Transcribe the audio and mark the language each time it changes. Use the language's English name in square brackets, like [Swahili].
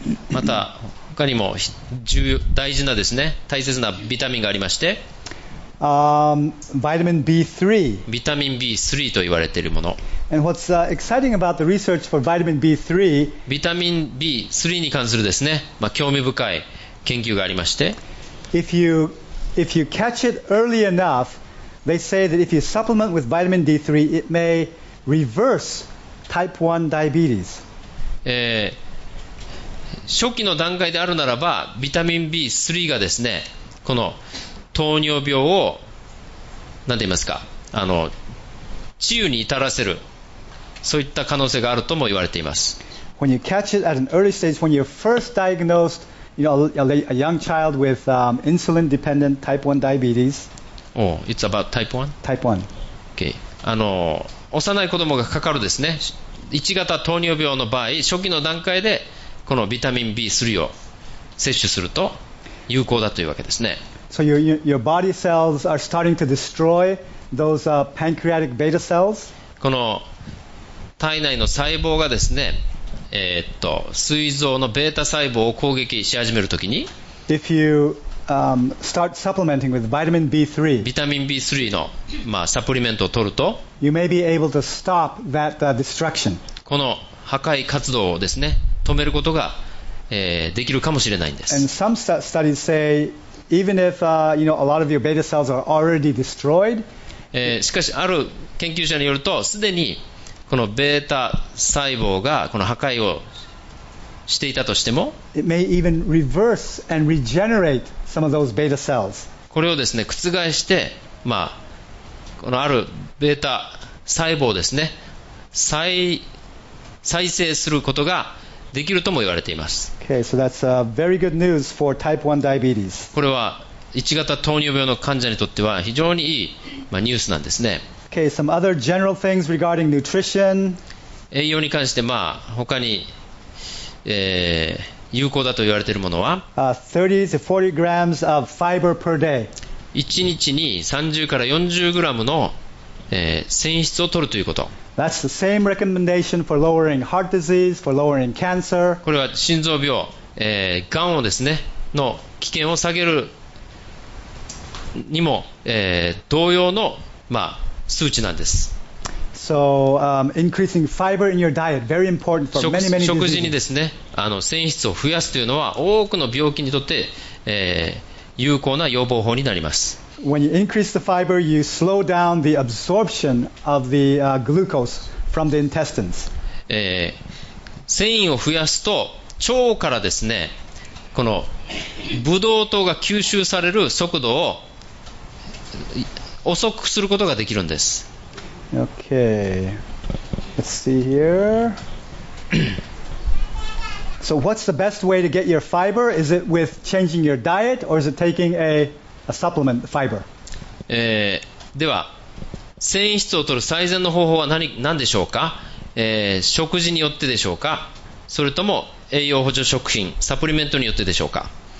[Japanese] また他にも大事なですね、大切なビタミンがありまして、 [English] vitamin B3. [Japanese] ビタミン B3 と言われているもの。 [English] And what's exciting about the research for vitamin B3? [Japanese] ビタミン B3 に関するですね、まあ、興味深い研究がありまして、 [English] if you catch it early enough, they say that if you supplement with vitamin D3, it may reverse type 1 diabetes. [Japanese] 初期の段階であるならば、ビタミン B3 がですね、この糖尿病を何て言いますか、治癒に至らせる。そういった可能性があるとも言われています。 [English] When you catch it at an early stage, when you're first diagnosed, you know, a young child with insulin dependent type 1 diabetes. Oh, it's about type 1? Type 1. Okay. [Japanese] 幼い子供がかかるですね、1型糖尿病の場合、初期の段階でこのビタミン B3 を摂取すると有効だというわけですね。 [English] So your body cells are starting to destroy those pancreatic beta cells. [Japanese] この体内の細胞がですね、膵臓のベータ細胞を攻撃し始めるときに、 [English] If you start supplementing with vitamin B3. [Japanese] ビタミン B3 の、まあ、サプリメントを取ると、 [English] you may be able to stop that, destruction. [Japanese] この破壊活動をですね、止めることが、できるかもしれないんです。 [English] And some studies say even if, you know, a lot of your beta cells are already destroyed. [Japanese] しかしある研究者によると、すでにこのベータ細胞がこの破壊をしていたとしても、 [English] it may even reverse and regenerate some of those beta cells. [Japanese] これをですね、覆して、まあ、このあるベータ細胞をですね、再生することができるとも言われています。 [English] Okay, so that's a very good news for type 1 diabetes. [Japanese] これは1型糖尿病の患者にとっては非常にいい、まあ、ニュースなんですね。 [English] Okay, some other general things regarding nutrition. [Japanese] 栄養に関して、まあ、他に、有効だと言われているものは、 [English] 30 to 40 grams of fiber per day. [Japanese] 1日に30から40グラムの、繊維質を取るということ。 [English] That's the same recommendation for lowering heart disease, for lowering cancer. [Japanese] これは心臓病、がんをですね、の危険を下げるにも、同様の、まあ、数値なんです。 [English] So, increasing fiber in your diet, very important for many, many diseases. [Japanese] 食事にですね、あの、繊維質を増やすというのは多くの病気にとって、有効な予防法になります。 [English] When you increase the fiber, you slow down the absorption of the, glucose from the intestines. [Japanese] 繊維を増やすと腸からですね、このブドウ糖が吸収される速度を遅くすることができるんです。 [English] Okay. Let's see here. So what's the best way to get your fiber? Is it with changing your diet or is it taking a supplement, fiber? [Japanese] では、繊維質を取る最善の方法は 何でしょうか、食事によってでしょうか、それとも栄養補助食品、サプリメントによってでしょうか。